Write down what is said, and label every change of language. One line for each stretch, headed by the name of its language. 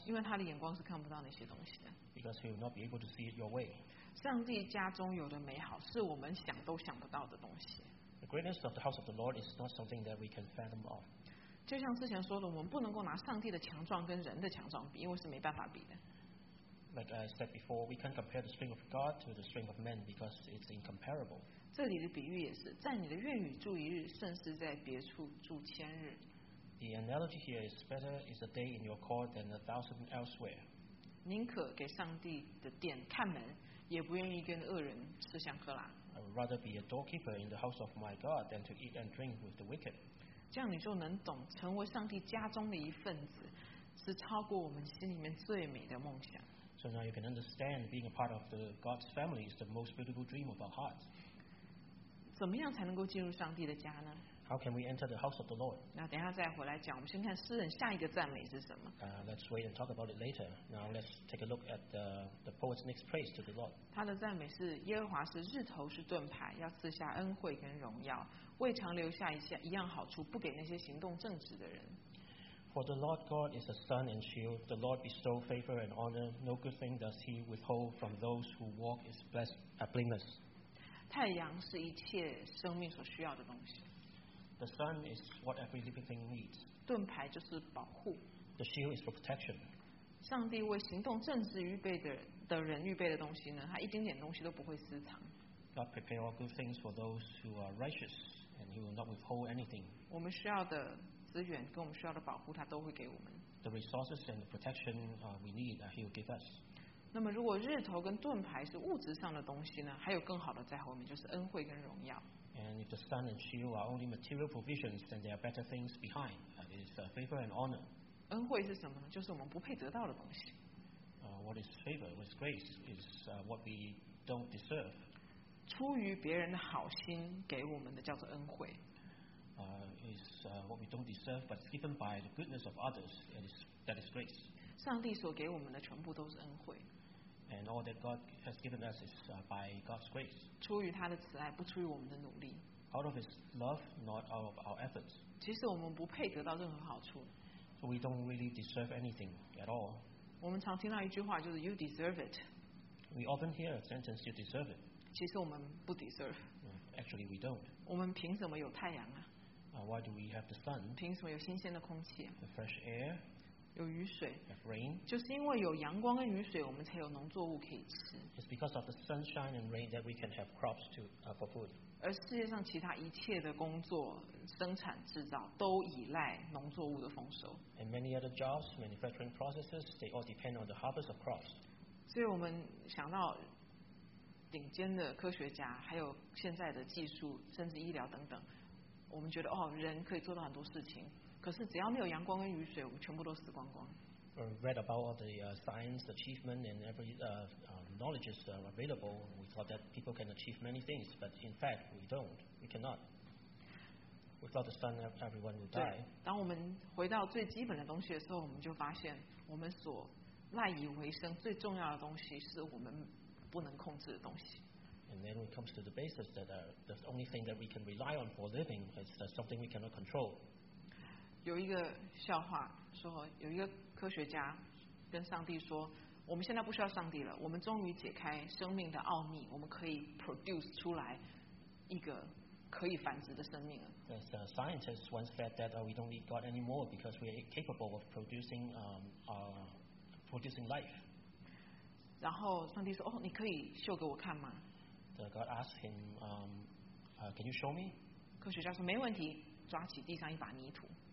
Chinese: 因为他的眼光是看不到那些东西的。
English: Because he will not be able to see it your way.
Chinese: 上帝家中有的美好是我们想都想不到的东西。
English: The greatness of the house of the Lord is not something that we can fathom of.
Chinese: 就像之前说的，我们不能够拿上帝的强壮跟人的强壮比，因为是没办法比的。
English: Like I said before, we can't compare the strength of God to the strength of man because it's incomparable.
Chinese: 这里的比喻也是，在你的院宇住一日，胜似在别处住千日。
English: The analogy here is better is a day in your court than a thousand elsewhere.
Chinese: 宁可给上帝的殿看门，也不愿意跟恶人吃香喝辣。
English: I would rather be a doorkeeper in the house of my God than to eat and drink with the wicked.
Chinese: 这样你就能懂，成为上帝家中的一份子，是超过我们心里面最美的梦想。
English: So now you can understand being a part of the God's family is the most beautiful dream of our hearts.
Chinese: 怎么样才能够进入上帝的家呢
English: ？How can we enter the house of the Lord?
Chinese: 那等一下再回来讲，我们先看诗人下一个赞美是什么。
English: Let's wait and talk about it later. Now let's take a look at the poet's next praise to the Lord.
Chinese: 他的赞美是耶和华是日头是盾牌，要赐下恩惠跟荣耀，未尝留下一样好处，不给那些行动正直的人。
English: For the Lord God is a sun and shield. The Lord bestows favor and honor. No good thing does He withhold from those who walk is blameless.
Chinese: 太阳是一切生命所需要的东西。
English: The sun is what every living thing needs.
Chinese: 盾牌就是保护。
English: The shield is for protection.
Chinese: 上帝为行动正直预备的人预备的东西呢，他一丁点东西都不会私藏。
English: God prepares all good things for those who are righteous, and He will not withhold anything.
Chinese: 我们需要的资源跟我们需要的保护，他都会给我们。
English: the resources and the protection we need, he will give us.
Chinese: 那么如果日头跟盾牌是物质上的东西呢，还有更好的在后面，就是恩惠跟荣耀。
English: And if the sun and shield are only material provisions, then there are better things behind. It is favor and honor.
Chinese: 恩惠是什么呢？就是我们不配得到的东西。
English: What is favor? What is grace? Is what we don't deserve.
Chinese: 出于别人的好心给我们的叫做恩惠。
English: What we don't deserve, but given by the goodness of others, that is grace.
Chinese: 上帝所给我们的全部都是恩惠。
English: And all that God has given us is by God's grace.
Chinese: 出于他的慈爱，不出于我们的努力。
English: Out of His love, not out of our efforts.
Chinese: 其实我们不配得到任何好处。
English: So we don't really deserve anything at all.
Chinese: 我们常听到一句话，就是
English: "You deserve it." We often hear a sentence, "You deserve it."
Chinese: 其实我们不 deserve.
English: Actually, we don't.
Chinese: 我们凭什么有太阳啊？
English: Why do we have the sun?
Chinese: 凭什么有新鲜的空气？
English: The fresh air.
Chinese: 有雨水。
English: Have rain.
Chinese: 就是因为有阳光跟雨水，我们才有农作物可以吃。
English: It's because of the sunshine and rain that we can have crops to for food.
Chinese: 而世界上其他一切的工作、生产、制造都依赖农作物的丰收。
English: And many other jobs, manufacturing processes, they all depend on the harvest of crops.
Chinese: 所以我们想到顶尖的科学家，还有现在的技术，甚至医疗等等。我们觉得哦，人可以做到很多事情，可是只要没有阳光跟雨水，我们全部都死光光。
English: We read about all the science achievement and every knowledge is available. We thought that people can achieve many things, but in fact, we don't. We cannot. Without the sun, everyone will die.
Chinese: 当我们回到最基本的东西的时候，我们就发现，我们所赖以为生最重要的东西是我们不能控制的东西。
English: And then when it comes to the basis that the only thing that we can rely on for living is something we cannot control.
Chinese: 有一个笑话说，有一个科学家跟上帝说，我们现在不需要上帝了，我们终于解开生命的奥秘，我们可以 produce 出来一个可以繁殖的生命了。
English: There's a scientist once said that we don't need God anymore because we are capable of producing life.
Chinese: 然后上帝说，哦，你可以秀给我看吗？
English: God asked him, "Can you show me?"
Chinese: 科学家说没问题，抓起地上一把泥土。